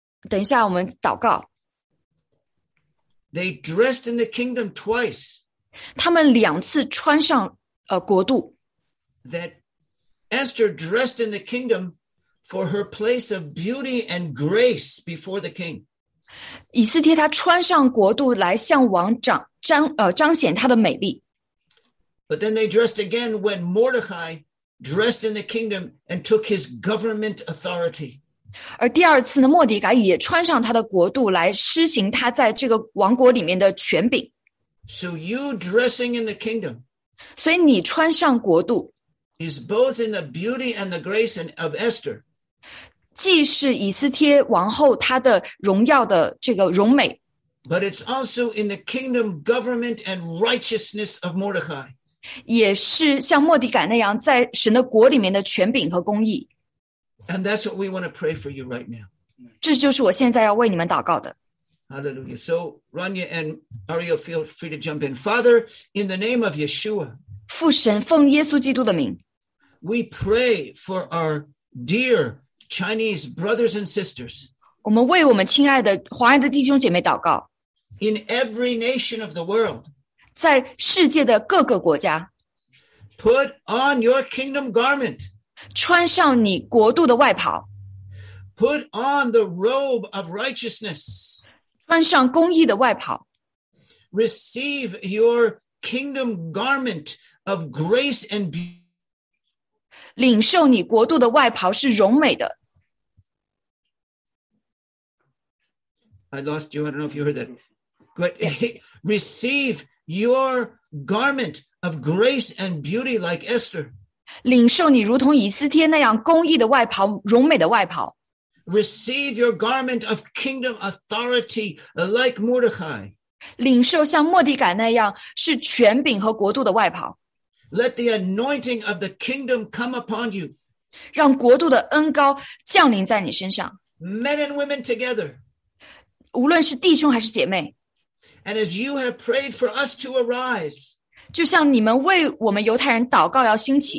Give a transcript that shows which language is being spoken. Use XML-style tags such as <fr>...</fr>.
<zh>等一下我们祷告。</zh> <en>They dressed in the kingdom twice.</en> <zh>他们两次穿上国度。</zh> <en>That Esther dressed in the kingdom for her place of beauty and grace before the king.</en> <zh>以斯帖她穿上国度来向王彰显她的美丽。</zh> <en>But then they dressed again when Mordechai dressed in the kingdom and took his government authority.</en> <zh>而第二次呢，莫迪改也穿上他的国度来施行他在这个王国里面的权柄。</zh> <en>So you dressing in the kingdom,</en> <zh>所以你穿上国度</zh> <en>is both in the beauty and the grace of Esther,</en> <zh>既是以斯帖王后她的荣耀的这个荣美</zh> <en>but it's also in the kingdom government and righteousness of Mordechai,</en> <zh>也是像莫迪改那样在神的国里面的权柄和公义</zh> <en>and that's what we want to pray for you right now.</en> <zh>这就是我现在要为你们祷告的。</zh> <en>Hallelujah. So, Rania and Ariel, feel free to jump in. Father, in the name of Yeshua,</en> <zh>父神，奉耶稣基督的名</zh> <en>we pray for our dear Chinese brothers and sisters.</en> <zh>我们为我们亲爱的华人的弟兄姐妹祷告</zh> <en>In every nation of the world,</en> <zh>在世界的各个国家</zh> <en>put on your kingdom garment,</en> <zh>穿上你国度的外袍</zh> <en>put on the robe of righteousness.</en> <zh>穿上公义的外袍。</zh> <en>Receive your kingdom garment of grace and beauty.</en> <zh>领受你国度的外袍是荣美的。</zh> <en>I lost you, I don't know if you heard that. But receive your garment of grace and beauty like Esther.</en> <zh>领受你如同以斯帖那样公义的外袍，荣美的外袍。</zh> <en>Receive your garment of kingdom authority like Mordechai.</en> <zh>领受像莫迪改那样是权柄和国度的外袍。</zh> <en>Let the anointing of the kingdom come upon you.</en> <zh>让国度的恩膏降临在你身上。</zh> <en>Men and women together，</en> <zh>无论是弟兄还是姐妹。</zh> <en>And as you have prayed for us to arise，</en> <zh>就像你们为我们犹太人祷告要兴起。</zh>